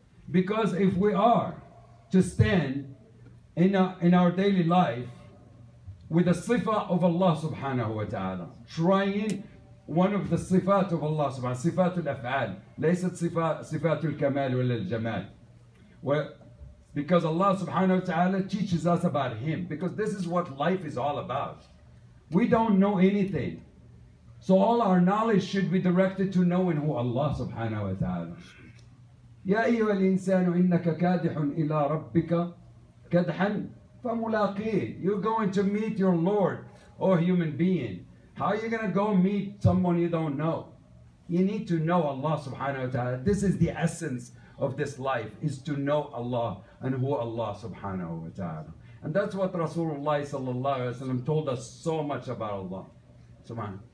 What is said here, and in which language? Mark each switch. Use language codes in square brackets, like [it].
[en] Because if we are to stand in our daily life with the sifa of Allah subhanahu wa ta'ala, trying one of the sifat of Allah subhanahu wa ta'ala, [ar] sifatul af'al, laysat sifatul kamal wal jamal. [en] Well, because Allah subhanahu wa ta'ala teaches us about Him, because this is what life is all about. We don't know anything. So all our knowledge should be directed to knowing who Allah subhanahu wa ta'ala is. [ar] يا أيها الإنسان إنك كادح إلى ربك كدحا فملاقيه. [en] You're going to meet your Lord, oh human being. How are you going to go meet someone you don't know? You need to know Allah subhanahu wa ta'ala. This is the essence of this life, is to know Allah and who Allah subhanahu wa ta'ala. And that's what Rasulullah sallallahu alayhi wa sallam told us so much about Allah. Subhanahu.